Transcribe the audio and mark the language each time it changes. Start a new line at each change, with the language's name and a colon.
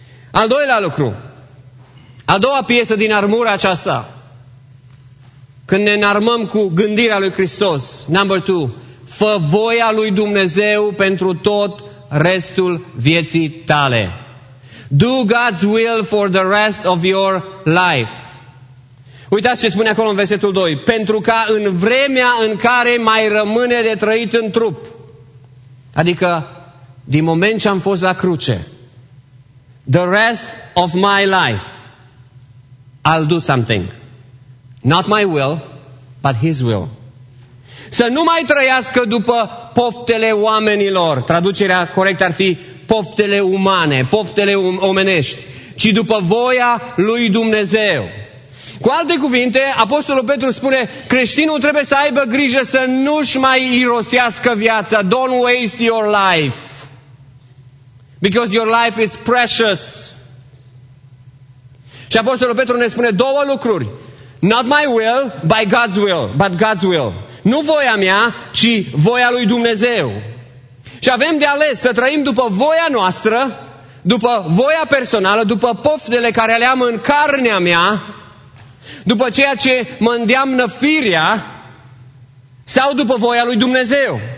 Romanian: Al doilea lucru, a doua piesă din armura aceasta, când ne înarmăm cu gândirea lui Hristos,
English: number two,
Romanian: fă voia lui Dumnezeu pentru tot restul vieții tale.
English: Do God's will for the rest of your life.
Romanian: Uitați ce spune acolo în versetul 2. Pentru ca în vremea în care mai rămâne de trăit în trup, adică din moment ce am fost la cruce,
English: the rest of my life, I'll do something. Not my will, but His will.
Romanian: Să nu mai trăiască după poftele oamenilor. Traducerea corectă ar fi poftele umane, poftele omenești, ci după voia lui Dumnezeu. Cu alte cuvinte, apostolul Petru spune, creștinul trebuie să aibă grijă să nu-și mai irosească viața.
English: Don't waste your life. Because your life is precious.
Romanian: Și apostolul Petru ne spune două lucruri.
English: Not my will, by God's will, but God's will.
Romanian: Nu voia mea, ci voia lui Dumnezeu. Și avem de ales să trăim după voia noastră, după voia personală, după poftele care le am în carnea mea, după ceea ce mă îndeamnă firea, sau după voia lui Dumnezeu.